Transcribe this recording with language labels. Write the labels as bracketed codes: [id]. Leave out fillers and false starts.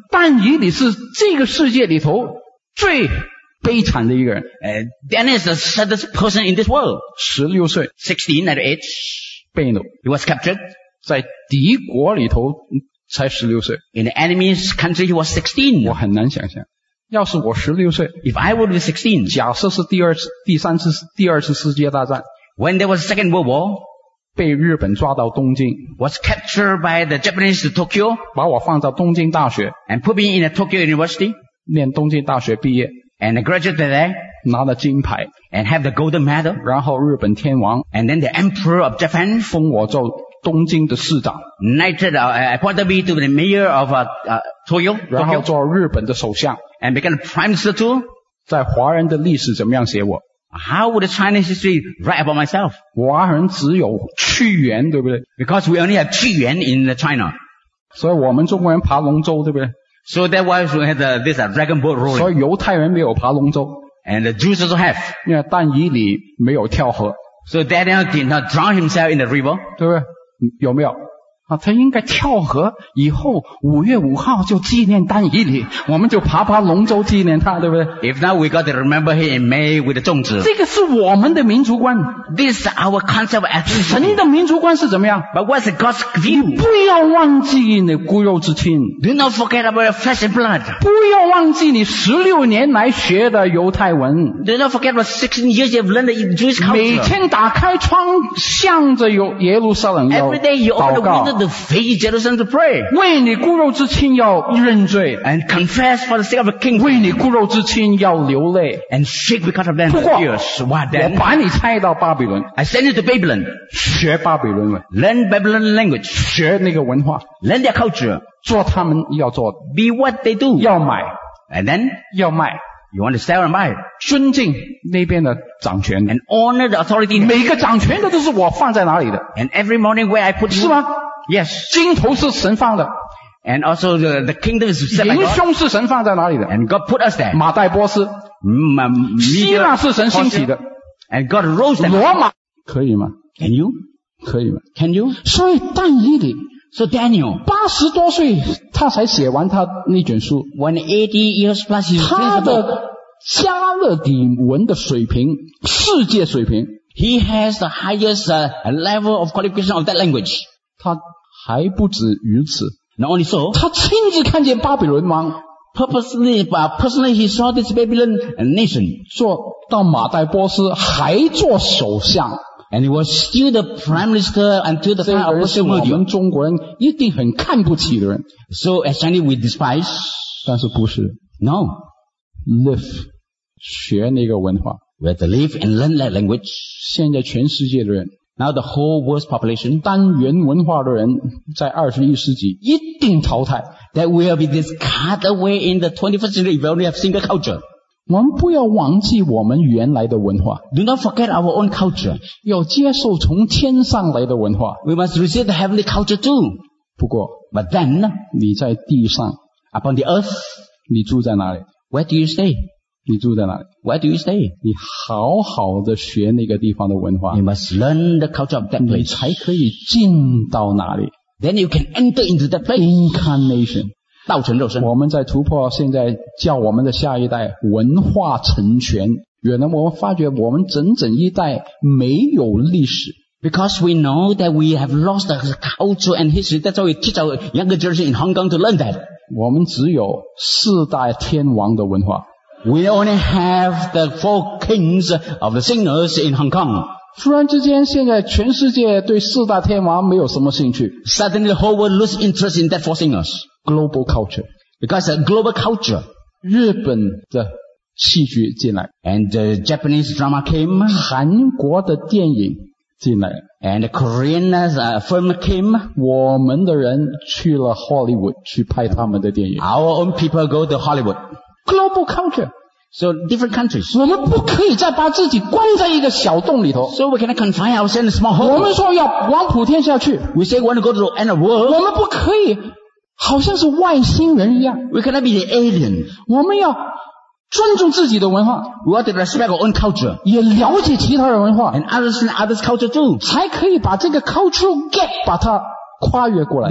[zh] 但以理是这个世界里头最悲惨的一个人 [en] Daniel is the saddest person in this world. [zh] 16岁 [en] 16 at age, [zh] 被掳 [en] He was captured. [zh] 在敌国里头才16岁。 [en] In the enemy's country, he was 16. [zh] 我很难想象。要是我16岁。 [en] If I would be 16. [zh] 假设是第二次世界大战。 [en] When there was a second world war. [zh] 被日本抓到东京。 [en] Was captured by the Japanese to Tokyo. [zh] 把我放到东京大学。 [en] And put me in a Tokyo University. [zh] 念东京大学毕业。 [en] And I graduated there. [zh] 拿了金牌。 [en] And have the golden medal. [zh] 然后日本天王。 [en] And then the emperor of Japan. [zh] 封我做东京的市长 [en] Knighted, appointed me to the mayor of Tokyo [zh] 然后做日本的首相 [en] and became prime minister too [zh] 在华人的历史怎么样写我 [en] How would the Chinese history write about myself? [zh] 华人只有屈原对不对 [en] Because we only have 屈原 in China [zh] 所以我们中国人爬龙舟对不对 [en] So that was we had this dragon boat rolling [zh] 所以犹太人没有爬龙舟 [en] And the Jews also have [zh] 因为但以理没有跳河 [en] So Daniel did not drown himself in the river [zh] 对不对有没有啊？他应该跳河以后5月5号就纪念丹以里我们就爬爬龙舟纪念他对不对 [en] If not we got to remember him in May with the 粽子 [zh] 这个是我们的民族观 [en] This is our concept of ethnicity [zh] 神的民族观是怎么样 [en] But what's God's view [zh] 你不要忘记你骨肉之亲 [en] Do not forget about your flesh and blood [zh] 不要忘记你16年来学的犹太文 [en] Do not forget about 16 years you've learned the Jewish culture [zh] 每天打开窗向着耶路撒冷要祷告 [en] Every day you open the window to face Jerusalem to pray [zh] 为你骨肉之亲要认罪 [en] and confess for the sake of the king [zh] 为你骨肉之亲要流泪 [en] and shake because of them [zh] 不过 [en] tears. What then? [zh] 我把你差到巴比伦 [en] I send you to Babylon [zh] 学巴比伦 [en] learn Babylon language [zh] 学那个文化 [en] learn their culture [zh] 做他们要做 [en] be what they do [zh] 要买 [en] and then [zh] 要卖 [en] you want to sell and buy [zh] 尊敬那边的掌权 [en] and honor the authority [zh] 每个掌权的都是我放在哪里的 [en] and every morning where I put you [zh] 是吗 [en] Yes. [zh] 金头是神放的。 [en] And also the kingdom is set like God. [zh] 银胸是神放在哪里的？ [en] And God put us there. [zh] 马代波斯。希腊是神兴起的。 [en] And God rose them. [zh] 罗马。可以吗？ [en] Can you? [zh] 可以吗？ [en] Can you? [zh] 所以但以理。 [en] So Daniel. [zh] 八十多岁他才写完他那卷书。 [en] When 80 years plus he's finished. [zh] 他的加勒底文的水平，世界水平。 [en] He has the highest level of qualification of that language. [zh] 他还不止于此。 [en] Not only so, [zh] 他亲自看见巴比伦王 [en] personally he saw this Babylon nation [zh] 做到马代波斯还做首相 [en] and he was still the prime minister until the time of Persia. [zh] 这个人是我们中国人一定很看不起的人。 [en] So as Chinese we despise, [zh] 但是不是 [en] No, live [zh] 学那个文化 [en] we have to live and learn that language. [zh] 现在全世界的人 [en] Now the whole world's population, [zh] 单元文化的人在21世纪一定淘汰。 [en] That will be this cut away in the 21st century if we only have single culture. [zh] 我们不要忘记我们原来的文化。 [en] Do not forget our own culture. [zh] 要接受从天上来的文化。 [en] We must receive the heavenly culture too. [zh] 不过 [en] But then, [zh] 你在地上 [en] Upon the earth, [zh] 你住在哪里 [en] Where do you stay? [zh] 你住在哪里 [en] Where do you stay? [zh] 你好好的学那个地方的文化。 [en] You must learn the culture of that place. [zh] 你才可以进到哪里。 [en] Then you can enter into that place. Incarnation. [zh] 道成肉身。我们在突破现在叫我们的下一代文化成全。原来我们发觉我们整整一代没有历史。 [en] Because we know that we have lost the culture and history. That's why we teach our younger generation in Hong Kong to learn that. [zh] 我们只有四大天王的文化。 [en] We only have the four kings of the singers in Hong Kong. [zh] 突然之间现在全世界对四大天王没有什么兴趣。 [en] Suddenly the whole world loses interest in that four singers. Global culture. Because a global culture. [zh] 日本的戏剧进来。 [en] And the Japanese drama came. [zh] 韩国的电影进来。 [en] And the Korean film came. [zh] 我们的人去了 Hollywood 去拍他们的电影。 [en] Our own people go to Hollywood. Global culture. So, different countries. [zh] 我们不可以再把自己关在一个小洞里头。 [en] So, we cannot confine ourselves in a small hole. [zh] 我们说要往普天下去。 [en] We say we want to go to the end of the world. [zh] 我们不可以好像是外星人一样。 [en] We cannot be the alien. [zh] 我们要尊重自己的文化。 [en] We have to respect our own culture. [zh] 也了解其他的文化。 [en] And understand others' culture too. [zh] 才可以把这个 [en] cultural gap [zh] 把它跨越过来。